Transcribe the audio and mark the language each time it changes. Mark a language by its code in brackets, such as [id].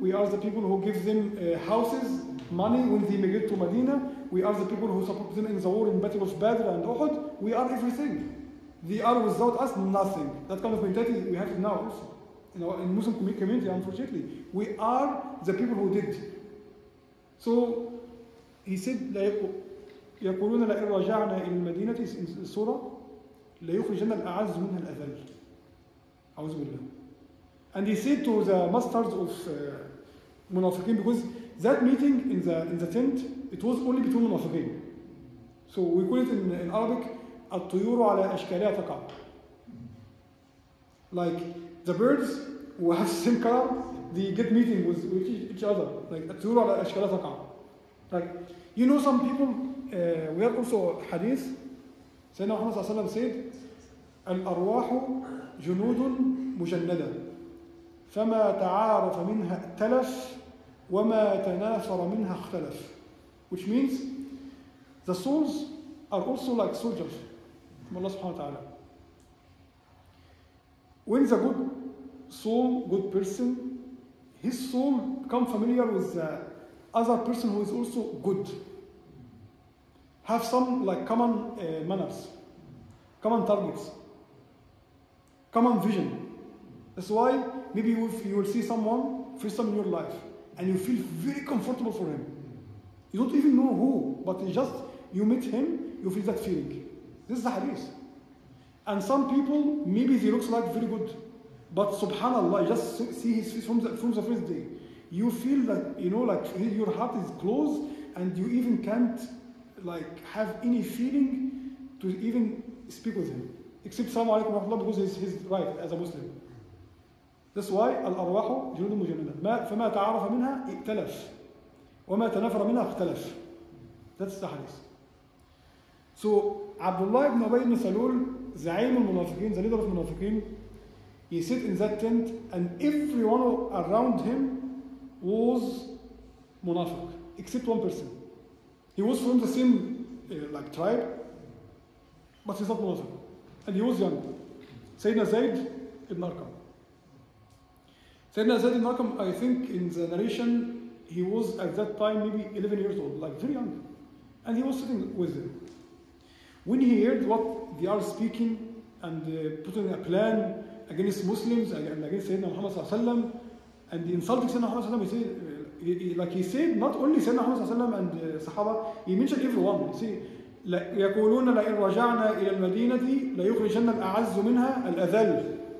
[en] We are the people who give them houses, money when they migrate to Medina. We are the people who support them in the war in Battle of Badr and Uhud. We are everything. They are without us, nothing. That kind of mentality we have now also. In Muslim community, unfortunately, we are the people who did. So he said, [ar] يقولون لئن رجعنا إلى المدينة السورة لا يخرجنا الأعز منها الأذل. أعوذ بالله. [en] And he said to the masters of Munafiqin, because that meeting in the tent, it was only between Munafiqin. So we call it in Arabic, [ar] الطيور على أشكالها تقع. [en] Like the birds who have the same color, they get meeting with each other. [ar] Like الطيور على أشكالها تقع. [en] Like, you know some people, we have also hadith. [ar] Sayyidina Muhammad صلى الله عليه وسلم said, الأرواح جنود مجندة. فما تعارف منها ائتلف وما تنافر منها اختلف. [en] Which means the souls are also like soldiers from Allah subhanahu wa ta'ala. When the good soul, good person, his soul become familiar with the other person who is also good, have some like common manners, common targets, common vision. That's why maybe if you will see someone first time in your life and you feel very comfortable for him. You don't even know who, but just you meet him, you feel that feeling. This is the hadith. And some people, maybe he looks like very good, but subhanAllah, just see his face from the first day. You feel that, you know, like your heart is closed and you even can't like have any feeling to even speak with him. Except Salaamu Alaikum Warahmatullah, because he's right as a Muslim. That's why [ar] الأرواح جنود مجندة. فما تعرف منها ائتلف وما تنفر منها اختلف. [en] That's the hadith. So Abdullah ibn Ubay ibn Salul, [ar] زعيم المنافقين, [en] the leader of المنافقين, he sat in that tent and everyone around him was منافق except one person. He was from the same like tribe, but he's not منافق. And he was young. Sayyidina Zayd ibn Arqam. Sayyidina Zayd ibn Arqam, I think in the narration, he was at that time maybe 11 years old, like very young. And he was sitting with them. When he heard what they are speaking and putting a plan against Muslims and against Sayyidina Muhammad sallallahu alayhi wa sallam, and insulting Sayyidina Muhammad sallallahu alayhi wa sallam, he said, not only Sayyidina Muhammad sallallahu alayhi wa sallam and Sahaba, he mentioned everyone. He said, [ar] يقولون لئن رجعنا إلى المدينة ليخرجن الأعز منها الأذل.